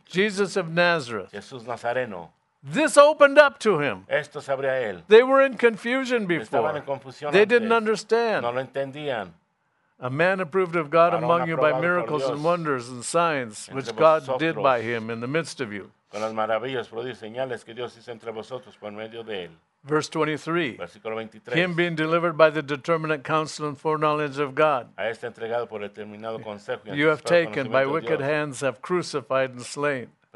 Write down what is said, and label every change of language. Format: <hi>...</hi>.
<en>Jesus of Nazareth.</en> <es>Jesús Nazareno.</es> <en>This opened up to him.</en> <es>Esto se abrió a él.</es> <en>They were in confusion before.</en> <es>Estaban en confusión</es> <en>they</en> <es>antes.</es> <en>Didn't understand.</en> <es>No lo entendían.</es> <en>A man approved of God</en> <es>varón</es> <en>among you by miracles and wonders and signs which</en> <es>vosotros,</es> <en>God did by him in the midst of you.</en> <es>Con las maravillas, prodigios, señales que Dios hizo entre vosotros por medio de él.</es> <en>Verse 23.</en> <es>Versículo 23.</es> <en>Him being delivered by the determinate counsel and foreknowledge of God.</en> <es>A este entregado por determinado consejo y</es> <en>you have taken by wicked hands have crucified and slain.</en>